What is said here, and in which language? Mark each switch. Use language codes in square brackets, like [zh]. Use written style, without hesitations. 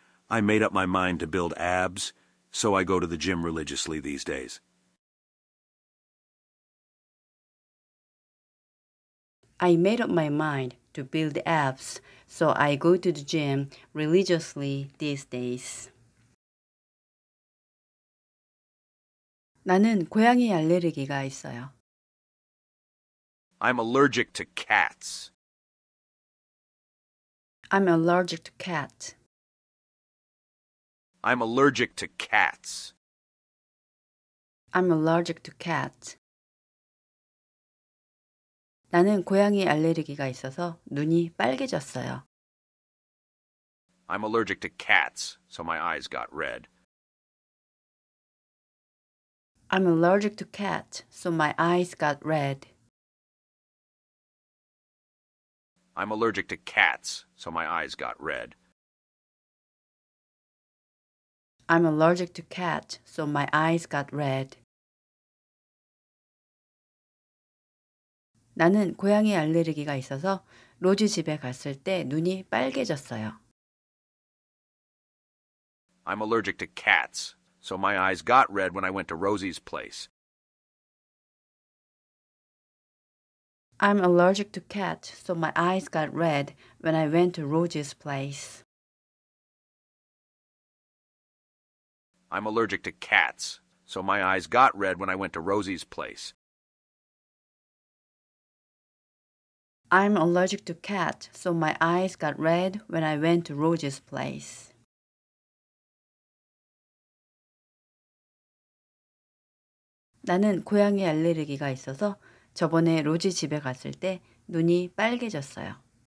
[en] I made up my mind to build abs, so I go to the gym religiously these days. I made up my mind to build abs, so I go to the gym religiously these days. [ko] 나는 고양이 알레르기가 있어요. [en] I'm allergic to cats. I'm allergic to cats. I'm allergic to cats. I'm allergic to cats. [ko] 나는 고양이 알레르기가 있어서 눈이 빨개졌어요. [en] I'm allergic to cats, so my eyes got red. I'm allergic to cats, so my eyes got red. I'm allergic to cats, so my eyes got red. I'm allergic to cats, so my eyes got red. [ko] 나는 고양이 알레르기가 있어서 로지 집에 갔을 때 눈이 빨개졌어요. [en] I'm allergic to cats, so my eyes got red when I went to Rosy's place. I'm allergic to cats, so my eyes got red when I went to Rosy's place. I'm allergic to cats, so my eyes got red when I went to Rosy's place. I'm allergic to cats, so my eyes got red when I went to Rosy's place. [ko] 나는 고양이 알레르기가 있어서 저번에 로지 집에 갔을 때 눈이 빨개졌어요.